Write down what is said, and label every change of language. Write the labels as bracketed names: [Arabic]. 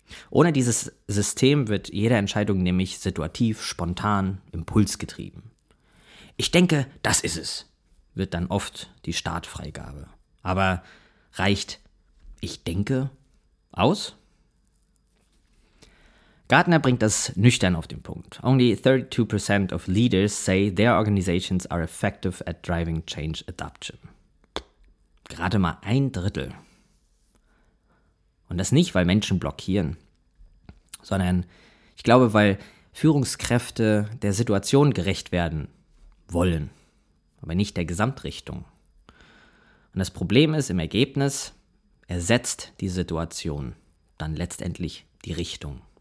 [German] Ohne dieses System wird jede Entscheidung nämlich situativ, spontan, impulsgetrieben. Ich denke, das ist es. Wird dann oft die Startfreigabe. Aber reicht, ich denke, aus? Gartner bringt das nüchtern auf den Punkt. [English] Only 32% of leaders say their organizations are effective at driving change adoption. [German] Gerade mal ein Drittel. Und das nicht, weil Menschen blockieren, sondern ich glaube, weil Führungskräfte der Situation gerecht werden wollen, aber nicht der Gesamtrichtung. Und das Problem ist, im Ergebnis ersetzt die Situation dann letztendlich die Richtung.